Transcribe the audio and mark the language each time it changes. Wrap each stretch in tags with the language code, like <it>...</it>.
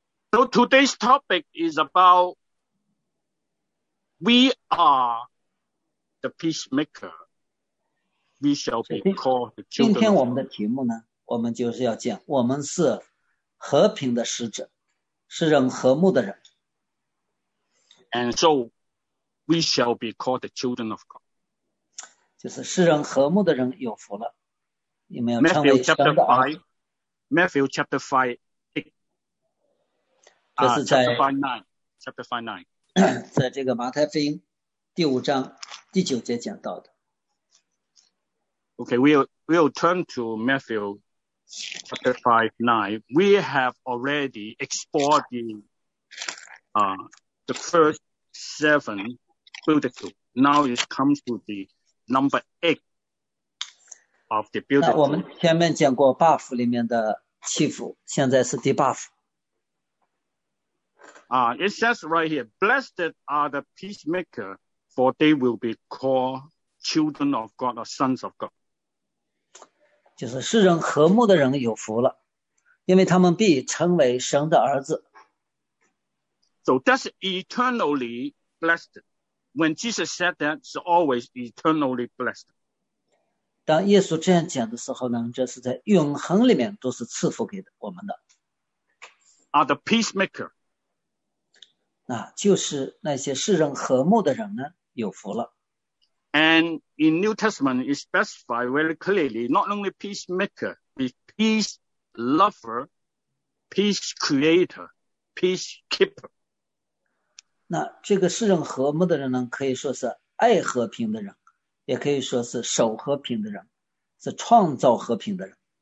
<en>So today's topic is about we are the peacemaker. We shall be called the children.</en> <zh>今天我们的题目呢，我们就是要讲，我们是和平的使者，是人和睦的人。</zh> <en>And so, we shall be called the children of God.</en> <zh>就是使人和睦的人有福了，你们要成为神的儿子。</zh> <en>Matthew chapter 5:8.</en> <zh>这是在</zh> <en>chapter 5:9.</en> <zh>在这个马太福音第五章第九节讲到的。</zh> <en>Okay, we'll turn to Matthew chapter 5:9. We have already explored the first seven beatitudes. Now it comes to the number 8 of the beatitudes.</en> <zh>那我们前面讲过八福里面的七福，现在是第八福。</zh> <en>It says right here, blessed are the peacemakers, for they will be called children of God or sons of God.</en> <zh>就是世人和睦的人有福了，因为他们必称为神的儿子。</zh> <en>So that's eternally blessed. When Jesus said that, it's always eternally blessed.</en> <zh>当耶稣这样讲的时候呢，这是在永恒里面都是赐福给我们的。</zh> <en>Are the peacemaker?</en> <zh>那就是那些世人和睦的人呢，有福了。</zh> <en>And in New Testament, it specifies very clearly not only peacemaker, but peace lover, peace creator, peace keeper.</en> <zh>那这个世人和睦的人呢，可以说是爱和平的人，也可以说是守和平的人，是创造和平的人。</zh>